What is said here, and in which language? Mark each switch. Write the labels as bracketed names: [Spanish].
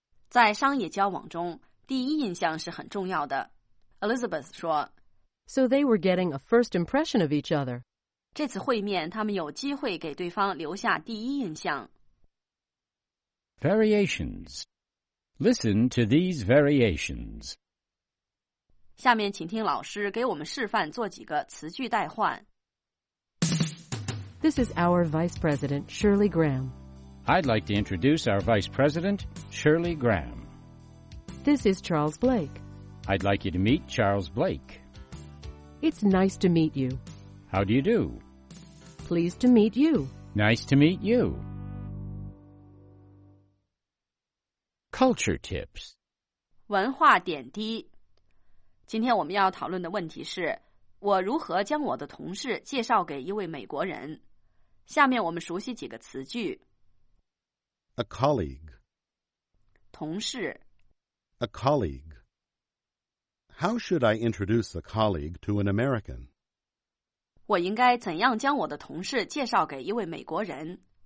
[Chinese] 在商业交往中，第一印象是很重要的。 Elizabeth 说 [English] So they were getting a first impression of each other. [Chinese] 这次会面他们有机会给对方留下第一印象。 [English] Variations. Listen to these variations. [Chinese] 下面请听老师给我们示范做几个词句代换。 [English] This is our Vice President, Shirley Graham. I'd like to introduce our Vice President, Shirley Graham. This is Charles Blake. I'd like you to meet Charles Blake. It's nice to meet you. How do you do? Pleased to meet you. Nice to meet you. Culture tips. [Chinese] 文化点滴。今天我们要讨论的问题是，我如何将我的同事介绍给一位美国人？下面我们熟悉几个词句。 [English] A colleague. [Chinese] 同事。 [English] A colleague. How should I introduce a colleague to an American? [Chinese] 我应该怎样将我的同事介绍给一位美国人？